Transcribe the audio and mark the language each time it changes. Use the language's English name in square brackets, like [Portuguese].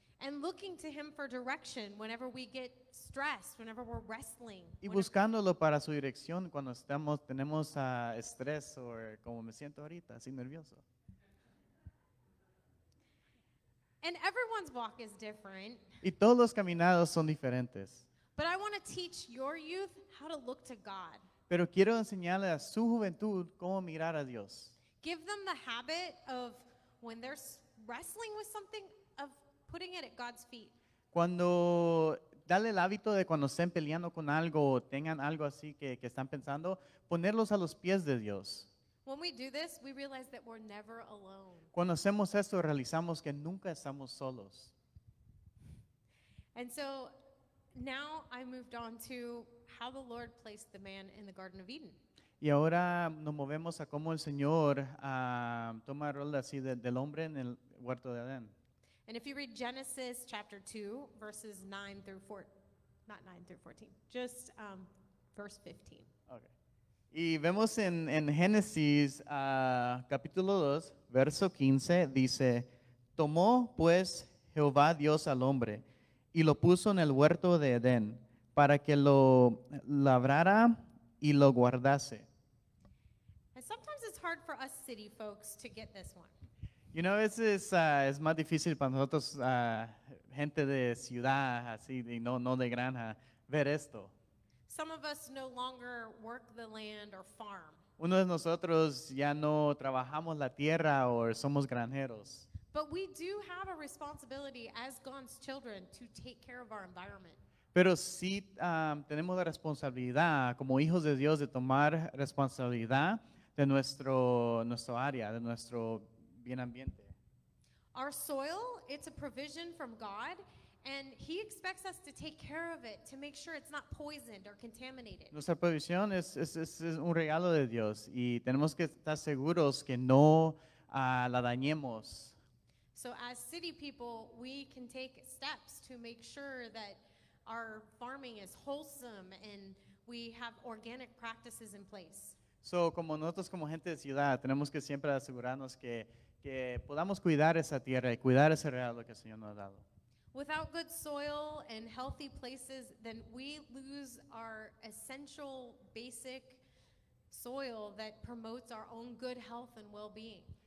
[English] And looking to him for direction whenever we get stressed, whenever we're wrestling. [Spanish] Y buscándolo para su dirección cuando tenemos estrés o como me siento ahorita, así nervioso. [English] And everyone's walk is different. [Spanish] Y todos los caminados son diferentes. [English] But I want to teach your youth how to look to God. [Spanish] Pero quiero enseñarle a su juventud cómo mirar a Dios. [English] Give them the habit of when they're wrestling with something of putting it at God's feet. [Spanish] Cuando dale el hábito de cuando estén peleando con algo o tengan algo así que están pensando, ponerlos a los pies de Dios. [English] When we do this, we realize that we're never alone. [Spanish] Cuando hacemos esto, realizamos que nunca estamos solos. [English] And so now I moved on to how the Lord placed the man in the Garden of Eden. [Spanish] Y ahora nos movemos a cómo el Señor toma rol así del hombre en el huerto de Adán. [English] And if you read Genesis chapter 2, verses 9 through 4, not 9 through 14, just verse 15. Okay. [Spanish] Y vemos en Génesis capítulo 2, verso 15, dice, tomó pues Jehová Dios al hombre y lo puso en el huerto de Edén para que lo labrara y lo guardase. [English] And sometimes it's hard for us city folks to get this one. You know, [Spanish] es más difícil para nosotros, gente de ciudad, así, y no de granja, ver esto. [English] Some of us no longer work the land or farm. [Spanish] Uno de nosotros ya no trabajamos la tierra o somos granjeros. [English] But we do have a responsibility as God's children to take care of our environment. [Spanish] Pero sí tenemos la responsabilidad como hijos de Dios de tomar responsabilidad de nuestro área, de nuestro bien ambiente. [English] Our soil, it's a provision from God. And he expects us to take care of it to make sure it's not poisoned or contaminated. [Spanish] Nuestra provisión es un regalo de Dios y tenemos que estar seguros que no la dañemos. [English] So as city people, we can take steps to make sure that our farming is wholesome and we have organic practices in place. [Spanish] So como nosotros como gente de ciudad, tenemos que siempre asegurarnos que podamos cuidar esa tierra y cuidar ese regalo que el Señor nos ha dado. [English] Without good soil and healthy places, then we lose our essential basic soil that promotes our own good health and well-being.